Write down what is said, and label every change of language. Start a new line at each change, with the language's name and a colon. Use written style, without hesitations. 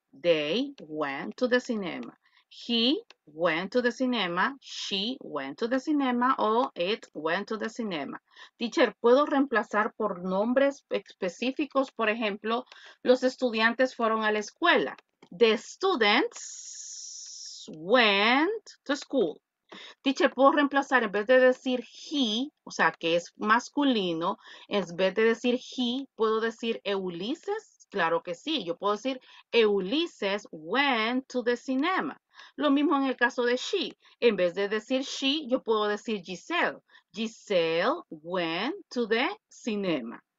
English: They went to the cinema. He went to the cinema. She went to the cinema. O it went to the cinema.
Spanish: Teacher, ¿puedo reemplazar por nombres específicos? Por ejemplo, los estudiantes fueron a la escuela.
English: The students went to school.
Spanish: Teacher, ¿puedo reemplazar en vez de decir he, o sea, que es masculino, en vez de decir he, puedo decir Ulises? Claro que sí. Yo puedo decir
English: Ulises went to the cinema.
Spanish: Lo mismo en el caso de she. En vez de decir she, yo puedo decir Giselle.
English: Giselle went to the cinema.